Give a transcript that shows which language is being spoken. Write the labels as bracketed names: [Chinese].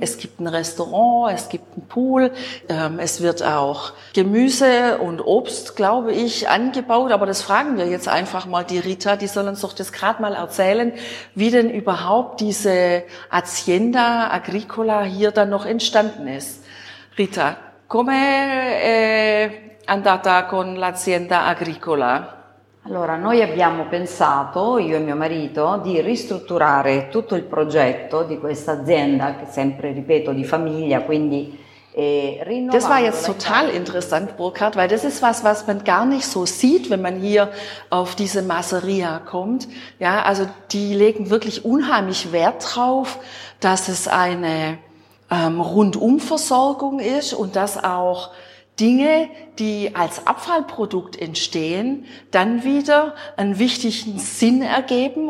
[German] Es gibt ein Restaurant, es gibt einen Pool. Es wird auch Gemüse und Obst, glaube ich, angebaut. Aber das fragen wir jetzt einfach mal die Rita. Die soll uns doch das gerade mal erzählen, wie denn überhaupt diese Hacienda Agricola hier dann noch entstanden ist. [Italian] Rita, come è andata con l'azienda agricola? Allora, noi abbiamo pensato, io e mio marito, di ristrutturare tutto il progetto di questa azienda, che sempre, ripeto, di famiglia, quindi [German] Das war jetzt total interessant, Burkhard, weil das ist was, was man gar nicht so sieht, wenn man hier auf diese Masseria kommt. Ja, also die legen wirklich unheimlich Wert drauf, dass es eine Rundumversorgung ist und dass auch Dinge, die als Abfallprodukt entstehen, dann wieder einen wichtigen Sinn ergeben.